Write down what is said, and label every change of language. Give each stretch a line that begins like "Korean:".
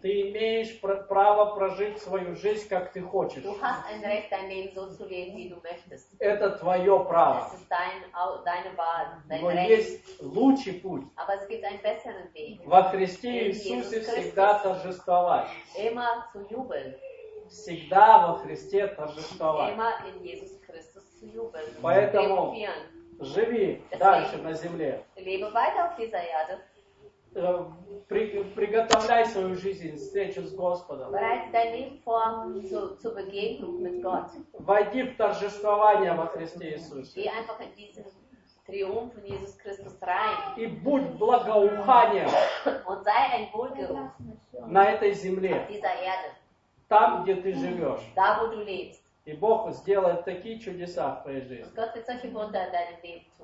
Russian: Ты имеешь право прожить свою жизнь, как ты хочешь.
German: Du hast ein Recht, dein Leben so zu leben, wie du möchtest.
Russian: Это твое право.
German: Es ist deine Wahl, dein Recht.
Russian: Но есть лучший путь.
German: Aber es gibt einen besseren Weg.
Russian: Во Христе Иисусе всегда торжествовать.
German: Immer zu jubeln.
Russian: Всегда во Христе торжествовать.
German: Immer in Jesus Christus zu jubeln.
Russian: Поэтому живи дальше на земле.
German: Lebe weiter auf dieser Erde.
Russian: Приготовляй свою жизнь, встречу с Господом.
German: Bereite dein Leben vor zur Begegnung mit Gott.
Russian: Войди в торжествование во Христе Иисусе.
German: Geh einfach in diesen Triumph in Jesus Christus rein.
Russian: И будь благоуханием.
German: Und sei ein Wohlgeruch.
Russian: На этой земле.
German: Auf dieser Erde.
Russian: Там, где ты живешь.
German: Da, wo du lebst.
Russian: И Бог сделает такие чудеса в твоей жизни.